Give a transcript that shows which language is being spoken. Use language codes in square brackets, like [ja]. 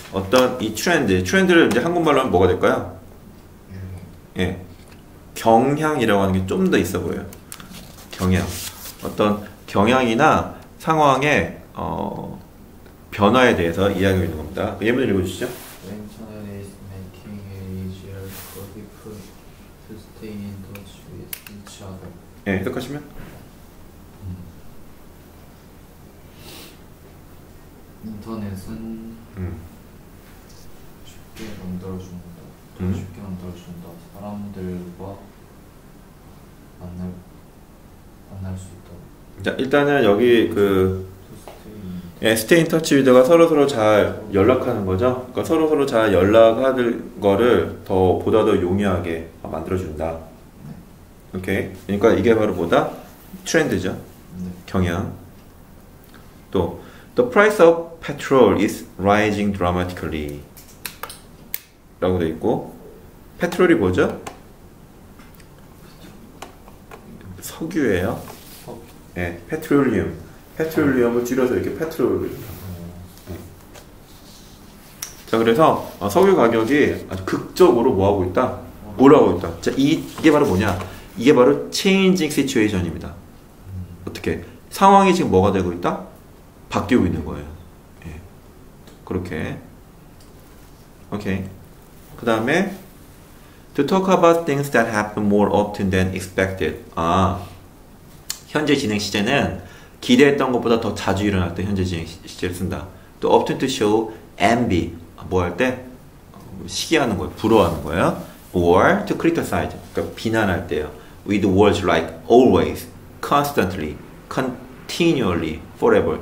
[ko] 어떤 이 트렌드, 트렌드를 이제 한국말로 하면 뭐가 될까요? 예, 경향이라고 하는 게 좀 더 있어 보여요. 경향. 어떤 경향이나 상황의 변화에 대해서 이야기하고 있는 겁니다. 예문을 읽어주시죠. [en] When China is making it easier for people to stay in touch with each other. [ko] 예, 해석하시면? 인터넷은 쉽게 만들어준다. 더 쉽게 만들어준다. 사람들과 만날 수 있다. 자, 일단은 여기 그 스테이 인 터치 위드가 서로서로 잘 연락하는 거죠. 그러니까 서로서로 잘 연락하는 거를 보다 더 용이하게 만들어준다. 네. 오케이. 그러니까 이게 바로 뭐다? 트렌드죠. 네. 경향. [en] 또 The price of petrol is rising dramatically. [ko] 라고 되어 있고, 페트롤이 뭐죠? 석유예요. 네, 페트롤리움. 페트롤리움을 줄여서 이렇게 페트롤을. 자, 그래서 석유 가격이 아주 극적으로 뭐하고 있다? 올라가고 있다. 자, 이게 바로 뭐냐? 이게 바로 changing situation입니다. 어떻게? 상황이 지금 뭐가 되고 있다? 바뀌고 있는 거예요. 예. 그렇게. 오케이. [en] 그 다음에, to talk about things that happen more often than expected. [ko] 아, 현재 진행 시제는 기대했던 것보다 더 자주 일어날 때 현재 진행 시제를 쓴다. 또, [en] often to show envy. [ko] 뭐 할 때? 시기하는 거예요. 부러워하는 거예요. [en] or to criticize. [ko] 그러니까 비난할 때요. [en] with words like always, constantly, continually. forever.